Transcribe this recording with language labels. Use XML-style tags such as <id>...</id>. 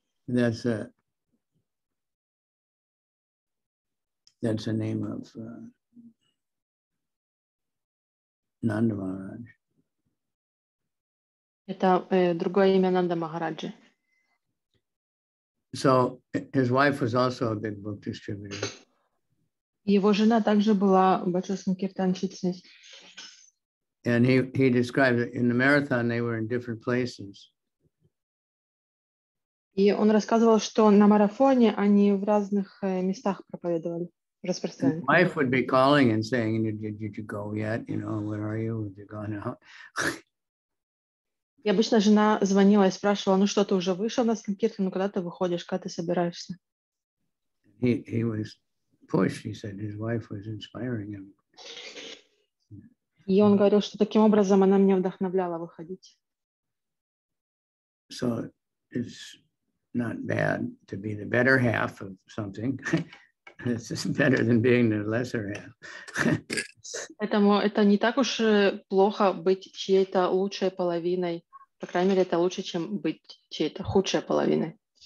<en>That's the name of Nanda Maharaj.</en> <ru>Это другое имя Нанда Махараджи.</ru> <en>So his wife was also a big book distributor.</en> <ru>Его жена также была большой санкиртанщицей.</ru> <en>And he described it in the marathon, they were in different places.</en> <ru>И он рассказывал, что на марафоне они в разных местах проповедовали.</ru> <en>His wife would be calling and saying, did you go yet? You know, where are you? Have you gone out?</en> <ru>И обычно жена звонила и спрашивала, ну что, ты уже вышел на санкиртан, ну куда ты выходишь, когда ты собираешься?</ru> <en>He was pushed, he said, his wife was inspiring him.</en> <ru>И он говорил, что таким образом она меня вдохновляла выходить.</ru> <en>So it's not bad to be the better half of something. It's just better than being the lesser half.</en> <ru>Поэтому это не так уж плохо быть чьей-то лучшей половиной. По крайней мере, это лучше, чем быть чьей-то худшей половиной.</ru>